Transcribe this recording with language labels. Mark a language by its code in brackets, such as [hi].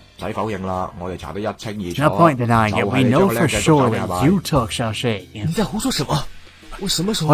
[zh] 不用否认了，我们查得一清二楚。 [en] No point denying it. We know for sure that you took Joshi. [zh] 你在胡说什么？我什么时候？